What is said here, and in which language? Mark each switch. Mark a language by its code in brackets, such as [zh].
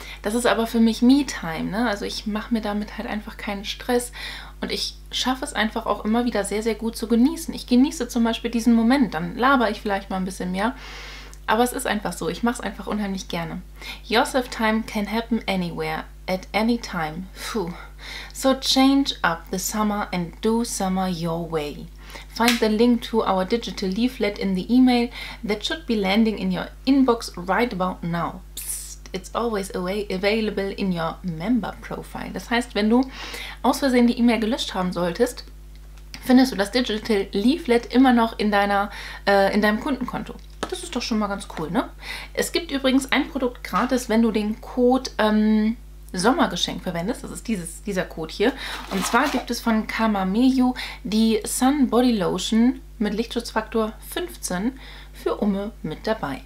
[de] Das ist aber für mich Me-Time, ne? Also ich mache mir damit halt einfach keinen Stress und ich schaffe es einfach auch immer wieder sehr, sehr gut zu genießen. Ich genieße zum Beispiel diesen Moment, dann labere ich vielleicht mal ein bisschen mehr. Aber es ist einfach so, ich mache es einfach unheimlich gerne. [en] Yourself time can happen anywhere, at any time. Puh. So change up the summer and do summer your way. Find the link to our digital leaflet in the email that should be landing in your inbox right about now. Psst, it's always available in your member profile. [de] Das heißt, wenn du aus Versehen die E-Mail gelöscht haben solltest, findest du das digital leaflet immer noch in deinem Kundenkonto. Das ist doch schon mal ganz cool, ne? Es gibt übrigens ein Produkt gratis, wenn du den Code Sommergeschenk verwendest. Das ist dieser Code hier. Und zwar gibt es von Kamameyu die Sun Body Lotion mit Lichtschutzfaktor 15 für Umme mit dabei.